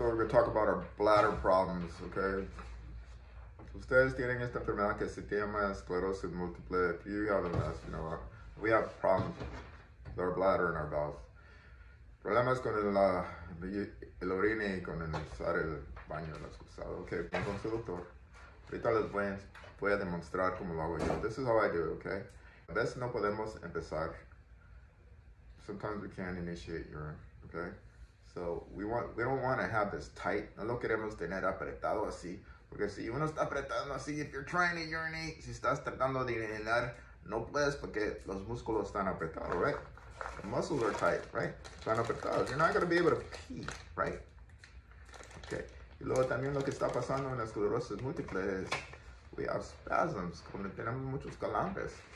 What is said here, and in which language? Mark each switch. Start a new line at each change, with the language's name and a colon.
English: We're going to talk about our bladder problems, okay?
Spanish: Ustedes tienen esta enfermedad que se llama esclerosis múltiple.
English: You have a mess, you know. We have problems with our bladder and our bowels.
Spanish: Problemas con el orine y con el usar el baño, las cosas. Okay, con consultor. Ahorita les voy a demostrar cómo lo hago yo.
English: This is how I do it, okay?
Spanish: A veces no podemos empezar.
English: Sometimes we can't initiate urine, okay? So we don't want to have this tight.
Spanish: No lo queremos tener apretado así. Porque si uno está apretando así,
English: if you're trying to urinate,
Spanish: si estás tratando de orinar, no puedes porque los músculos están apretados, right?
English: The muscles are tight, right?
Spanish: Están apretados.
English: You're not going to be able to pee, right? Okay.
Spanish: Y luego también lo que está pasando en la esclerosis múltiple es
English: we have spasms,
Spanish: cuando tenemos muchos calambres.